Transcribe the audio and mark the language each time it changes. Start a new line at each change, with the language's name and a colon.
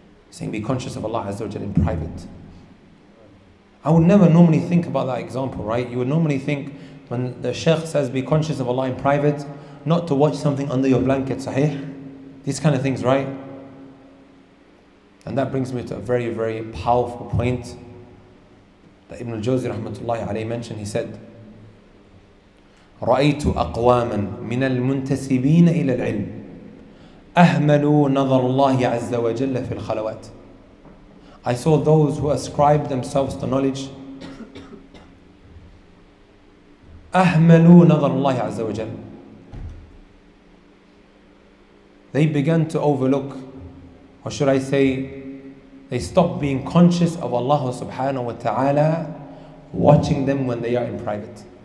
English: Saying, be conscious of Allah Azza wa Jalla in private. I would never normally think about that example, right? You would normally think, when the Shaykh says, be conscious of Allah in private, not to watch something under your blanket, sahih? These kind of things, right? And that brings me to a very, very powerful point that Ibn al-Jawzi rahmatullahi alayhi mentioned, he said,
Arabic: رَأَيْتُ أَقْوَامًا مِنَ الْمُنْتَسِبِينَ إِلَى الْعِلْمِ أَهْمَلُوا نَظَرُ اللَّهِ عَزَّ وَجَلَّ فِي الْخَلَوَاتِ.
English: I saw those who ascribe themselves to knowledge.
Arabic: أَهْمَلُوا نَظَرُ اللَّهِ عَزَّ وَجَلَّ.
English: They began to overlook, or should I say, they stopped being conscious of Allah subhanahu wa ta'ala watching them when they are in private.